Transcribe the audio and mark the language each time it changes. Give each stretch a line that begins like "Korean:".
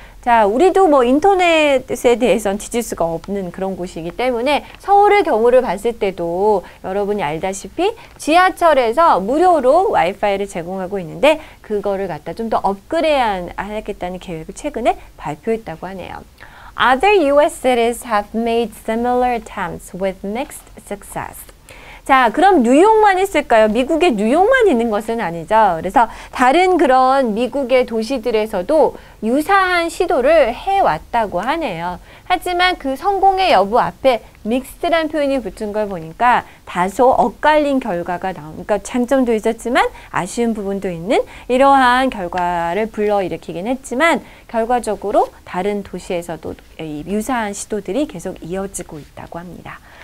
Korean: 자, 우리도 뭐 인터넷에 대해서는 뒤질 수가 없는 그런 곳이기 때문에 서울의 경우를 봤을 때도 여러분이 알다시피 지하철에서 무료로 와이파이를 제공하고 있는데 그거를 갖다 좀 더 업그레이드하겠다는 계획을 최근에 발표했다고 하네요.
English: Other US cities have made similar attempts with mixed success.
Korean: 자, 그럼 뉴욕만 있을까요? 미국에 뉴욕만 있는 것은 아니죠. 그래서 다른 그런 미국의 도시들에서도 유사한 시도를 해왔다고 하네요. 하지만 그 성공의 여부 앞에 믹스트란 표현이 붙은 걸 보니까 다소 엇갈린 결과가 나오니까 장점도 있었지만 아쉬운 부분도 있는 이러한 결과를 불러일으키긴 했지만 결과적으로 다른 도시에서도 이 유사한 시도들이 계속 이어지고 있다고 합니다.